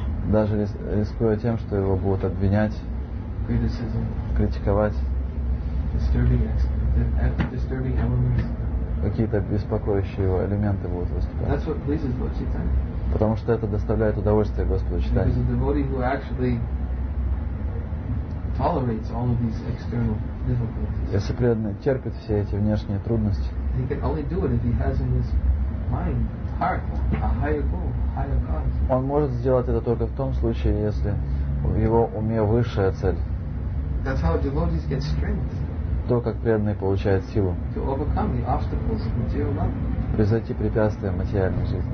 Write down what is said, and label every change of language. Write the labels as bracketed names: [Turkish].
[Russian] Даже рискуя тем, что его будут обвинять, критиковать. [English] Disturbing elements. [Russian] Какие-то беспокоящие его элементы будут выступать. [English] That's what pleases Lord Chaitanya. [Russian] Потому что это доставляет удовольствие Господу Чайтанье. [English] Because a devotee who actually tolerates all of these external difficulties. [Russian] Если преданный терпит все эти внешние трудности. [English] He can only do it if he has in his mind, heart, a higher goal, higher cause. [Russian] Он может сделать это только в том случае, если в его уме высшая цель. [English] That's how devotees get strength. [Russian] То, как преданный получает силу превзойти препятствия материальной жизни.